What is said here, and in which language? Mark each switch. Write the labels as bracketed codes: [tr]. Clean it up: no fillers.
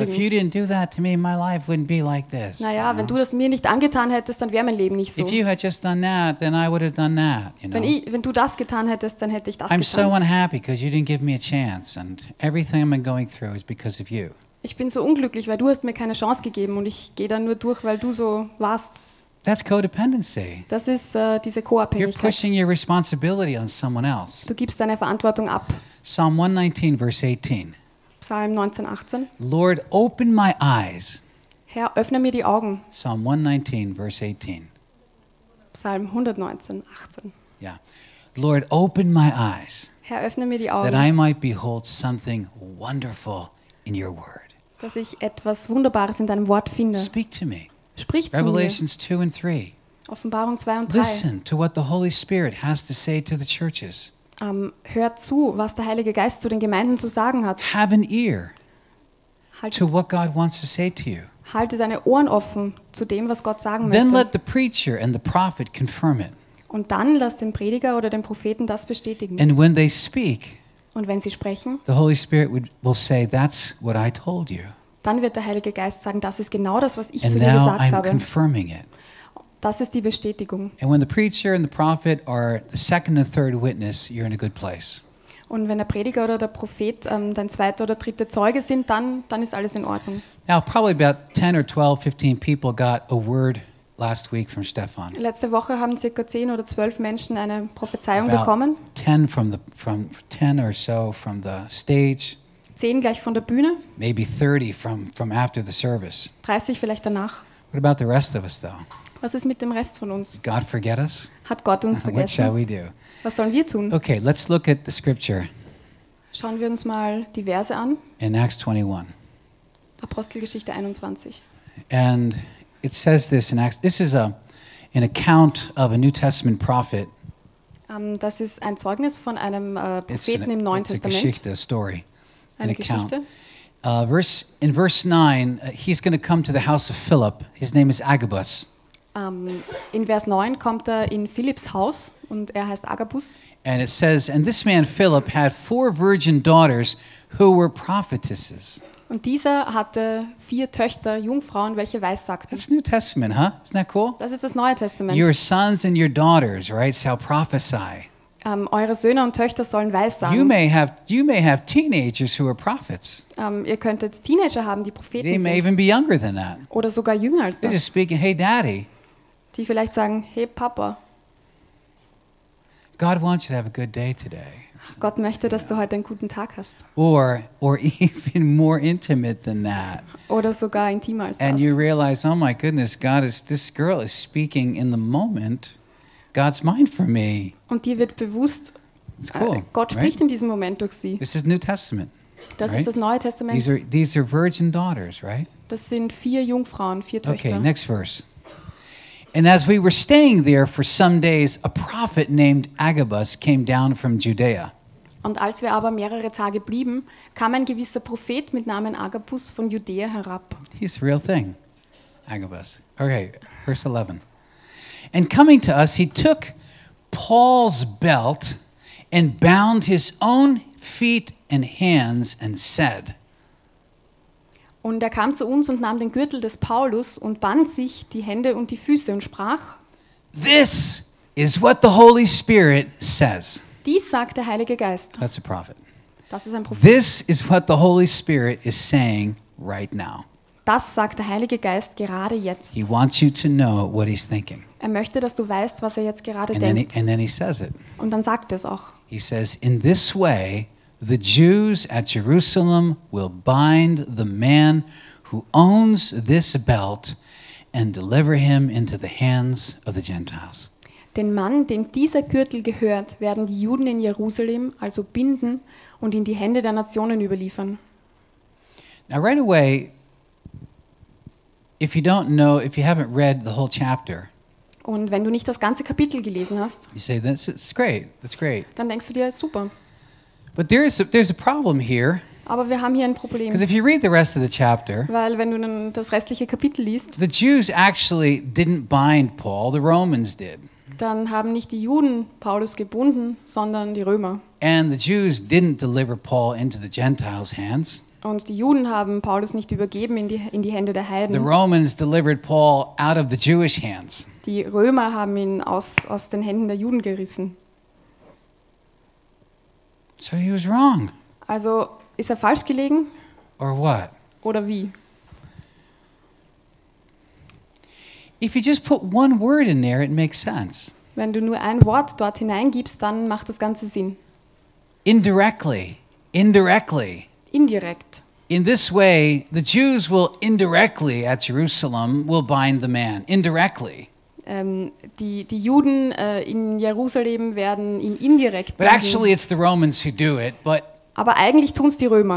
[en] You know, if you didn't do that to me, my life wouldn't be like this. [de] Naja, wenn du das mir nicht angetan hättest, dann wäre mein Leben nicht so. [en] If you had just done that, then I would have done that. You know? [de] Wenn du das getan hättest, dann hätte ich das getan. [en] I'm so unhappy because you didn't give me a chance, and everything I'm going through is because of you. [de] Ich bin so unglücklich, weil du hast mir keine Chance gegeben, und ich gehe dann nur durch, weil du so warst. [en] That's codependency. [de] Das ist diese Co-Abhängigkeit. [en] You're pushing your responsibility on someone else. [de] Du gibst deine Verantwortung ab. [en] Psalm 119, verse 18. [de] Psalm 19, 18. [en] Lord, open my eyes. [de] Herr, öffne mir die Augen. [en] Psalm 119, verse 18. [de] Psalm 119, 18. [en] Yeah. Lord, open my eyes. [de] Herr, öffne mir die Augen. [en] That I might behold something wonderful in your word. [de] Dass ich etwas Wunderbares in deinem Wort finde. [en] Speak to me. [de] Sprich zu [en] Revelations [de] mir. [en] 2 and 3. [de] Offenbarung 2 und 3. [en] Listen to what the Holy Spirit has to say to the churches. [de] Hör zu, was der Heilige Geist zu den Gemeinden zu sagen hat. [en] Have an ear to what God wants to say to you. [de] Halte deine Ohren offen zu dem, was Gott sagen [en] Then [de] möchte. [en] Let the preacher and the prophet confirm it. [de] Und dann lass den Prediger oder den Propheten das bestätigen. [en] And when they speak, [de] und wenn sie sprechen, [en] the Holy Spirit will say, that's what I told you. [de] Dann wird der Heilige Geist sagen, das ist genau das, was ich zu dir gesagt habe. [en] And now I'm confirming it. [de] Das ist die Bestätigung. [en] And when the preacher and the prophet are the second and third witness, you're in a good place. [de] Und wenn der Prediger oder der Prophet dein zweiter oder dritter Zeuge sind, dann ist alles in Ordnung. [en] Now probably about 10 or 12, 15 people got a word last week from Stefan. [de] Letzte Woche haben circa 10 oder 12 Menschen eine Prophezeiung bekommen. [en] 10 or so from the stage. [de] 10 gleich von der Bühne. [en] Maybe 30 from after the service. [de] 30 vielleicht danach. [en] What about the rest of us though? [de] Was ist mit dem Rest von uns? [en] God forget us? [de] Hat Gott uns vergessen? [en] What shall we do? [de] Was sollen wir tun? [en] Okay, let's look at the scripture. [de] Schauen wir uns mal die Verse an. [en] In Acts 21. [de] Apostelgeschichte 21. [en] And it says this in Acts. This is an account of a New Testament prophet. [de] Das ist ein Zeugnis von einem Propheten im Neuen Testament. [en] It's a Geschichte, a story. [de] Eine Geschichte. [en] In verse 9, he's going to come to the house of Philip. His name is Agabus. [de] In Vers 9 kommt er in Philipps Haus und er heißt Agabus. [en] And it says, and this man Philip had 4 virgin daughters who were prophetesses. [de] Und dieser hatte 4 Töchter, Jungfrauen, welche weissagten. [en] That's New Testament, huh? Isn't that cool? [de] Das ist das Neue Testament. [en] Your sons and your daughters, right, shall prophesy. [de] Eure Söhne und Töchter sollen weissagen. [en] You may have teenagers who are prophets. [de] Ihr könntet Teenager haben, die Propheten sind. [en] They may even be younger than that. [de] Oder sogar jünger als [en] They're [de] das. [en] Just speaking, hey daddy. [de] Die vielleicht sagen, hey Papa. [en] God wants you to have a good day today. [de] Gott möchte, dass du heute einen guten Tag hast. [en] Or even more intimate than that. [de] Oder sogar intimer als das. [en] And you realize, oh my goodness, this girl is speaking in the moment God's mind for me. [de] Und dir wird bewusst, [en] it's cool, [de] Gott spricht [en] right? [de] in diesem Moment durch sie. [en] This is New Testament. [de] Das [en] right? [de] ist das Neue Testament. [en] These are virgin daughters, right? [de] Das sind 4 Jungfrauen, 4 Töchter. [en] Okay, next verse. And as we were staying there for some days, a prophet named Agabus came down from Judea. [de] Und als wir aber mehrere Tage blieben, kam ein gewisser Prophet mit Namen Agabus von Judäa herab. [en] He's a real thing, Agabus. Okay, verse 11. And coming to us, he took Paul's belt and bound his own feet and hands and said, [de] Und er kam zu uns und nahm den Gürtel des Paulus und band sich die Hände und die Füße und sprach, [en] This is what the Holy Spirit says. [de] Dies sagt der Heilige Geist. [en] That's a prophet. [de] Das ist ein Prophet. [en] This is what the Holy Spirit is saying right now. [de] Das sagt der Heilige Geist gerade jetzt. [en] He wants you to know what he's thinking. [de] Er möchte, dass du weißt, was er jetzt gerade [en] and [de] denkt. [en] Then he says it. [de] Und dann sagt er es auch. [en] He says, in this way, the Jews at Jerusalem will bind the man who owns this belt and deliver him into the hands of the Gentiles. [de] Den Mann, dem dieser Gürtel gehört, werden die Juden in Jerusalem also binden und in die Hände der Nationen überliefern. [en] Now right away, if you don't know, if you haven't read the whole chapter, [de] und wenn du nicht das ganze Kapitel gelesen hast, [en] you say, that's great. [de] Dann denkst du dir, super. [en] But there's a problem here. [de] Aber wir haben hier ein Problem. [en] Because if you read the rest of the chapter, [de] weil wenn du dann das restliche Kapitel liest, [en] the Jews actually didn't bind Paul, the Romans did. [de] Dann haben nicht die Juden Paulus gebunden, sondern die Römer. [en] And the Jews didn't deliver Paul into the Gentiles' hands. [de] Und die Juden haben Paulus nicht übergeben in die Hände der Heiden. [en] The Romans delivered Paul out of the Jewish hands. [de] Die Römer haben ihn aus den Händen der Juden gerissen. [en] So he was wrong. [de] Also ist er falsch gelegen? [en] Or what? [de] Oder wie? [en] If you just put one word in there, it makes sense. [de] Wenn du nur ein Wort dort hineingibst, dann macht das Ganze Sinn. [en] Indirectly. [de] Indirekt. [en] In this way, the Jews will indirectly at Jerusalem will bind the man. Indirectly. [de] Die Juden in Jerusalem werden ihn indirekt binden. [en] But actually it's the Romans who do it, but [de] aber eigentlich tun's die Römer.